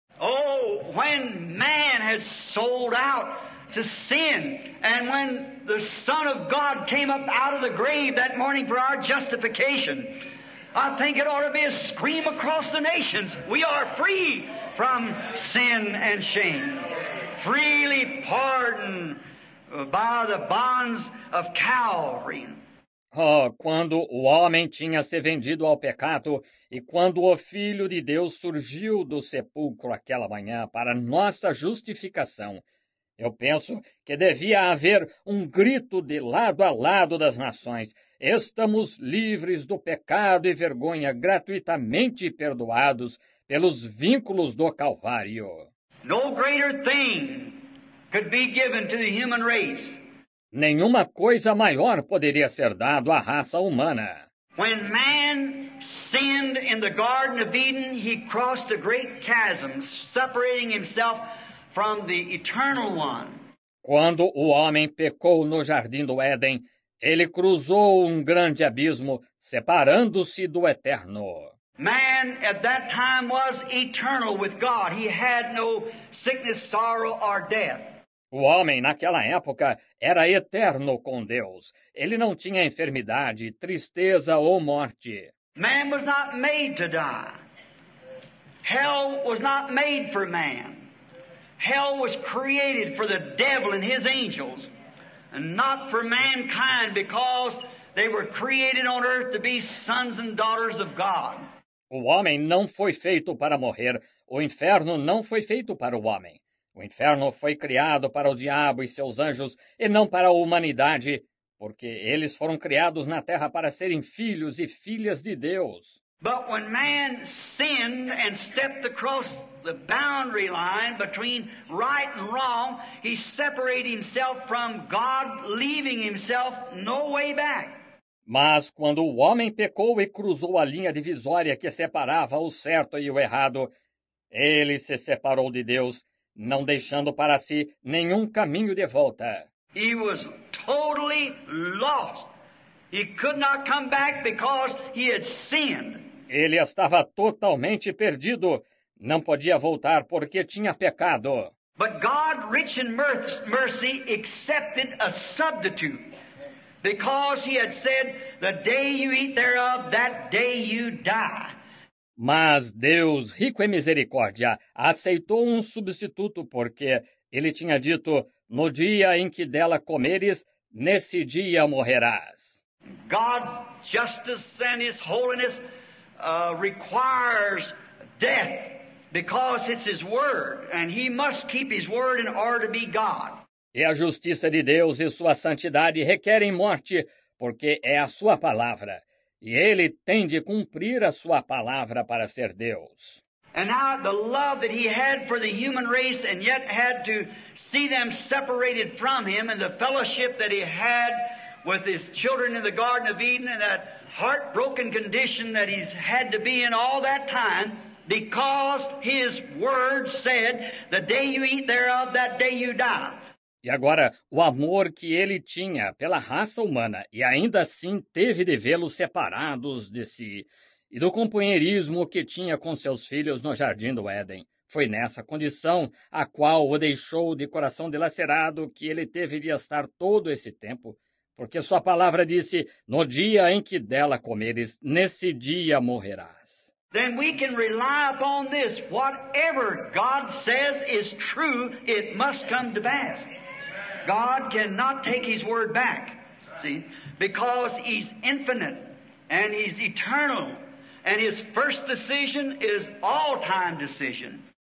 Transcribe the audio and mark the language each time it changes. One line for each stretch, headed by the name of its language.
English: Oh, when man has sold out to sin, and when the Son of God came up out of the grave that morning for our justification, I think it ought to be a scream across the nations. We are free from sin and shame, freely pardoned. By the bonds of Calvary.
Portuguese: Oh, quando o homem tinha se vendido ao pecado, e quando o Filho de Deus surgiu do sepulcro aquela manhã para nossa justificação, eu penso que devia haver um grito de lado a lado das nações. Estamos livres do pecado e vergonha, gratuitamente perdoados pelos vínculos do Calvário.
English: No greater thing could be given to the human race.
Portuguese: Nenhuma coisa maior poderia ser dado à raça humana.
English: When man sinned in the Garden of Eden, he crossed a great chasm, separating himself from the Eternal One.
Portuguese: Quando o homem pecou no Jardim do Éden, ele cruzou um grande abismo, separando-se do Eterno.
English: Man at that time was eternal with God. He had no sickness, sorrow, or death.
Portuguese: O homem, naquela época, era eterno com Deus. Ele não tinha enfermidade, tristeza ou morte.
English: Man was not made to die. Hell was not made for man. Hell was created for the devil and his angels, and not for mankind, because they were created on earth to be sons and daughters of God.
Portuguese: O homem não foi feito para morrer. O inferno não foi feito para o homem. O inferno foi criado para o diabo e seus anjos, e não para a humanidade, porque eles foram criados na terra para serem filhos e filhas de Deus.
English: But when man sinned and stepped across the boundary line between right and wrong, he separated himself from God, leaving himself no way back.
Portuguese: Mas quando o homem pecou e cruzou a linha divisória que separava o certo e o errado, ele se separou de Deus, não deixando para si nenhum caminho de volta.
English: He was totally lost. He could not come back because he had sinned.
Portuguese: Ele estava totalmente perdido. Não podia voltar porque tinha pecado.
English: But God, rich in mercy, accepted a substitute. Because he had said, the day you eat thereof, that day you die.
Portuguese: Mas Deus, rico em misericórdia, aceitou um substituto porque ele tinha dito, no dia em que dela comeres, nesse dia morrerás.
English: God's justice and his holiness requires death because it's his word, and he must keep his word in order to be God.
Portuguese: E a justiça de Deus e sua santidade requerem morte, porque é a sua palavra. E ele tem de cumprir a sua palavra para ser Deus.
English: And now the love that he had for the human race and yet had to see them separated from him, and the fellowship that he had with his children in the Garden of Eden, and that heartbroken condition that he's had to be in all that time, because his word said, the day you eat thereof, that day you die.
Portuguese: E agora, o amor que ele tinha pela raça humana e ainda assim teve de vê-los separados de si, e do companheirismo que tinha com seus filhos no jardim do Éden, foi nessa condição a qual o deixou de coração dilacerado que ele teve de estar todo esse tempo, porque sua palavra disse, no dia em que dela comeres, nesse dia morrerás.
English: Then we can rely upon this. Whatever God says is true, it must come to pass. God cannot take his word back, see, because he's infinite and he's eternal, and his first decision is all time decision.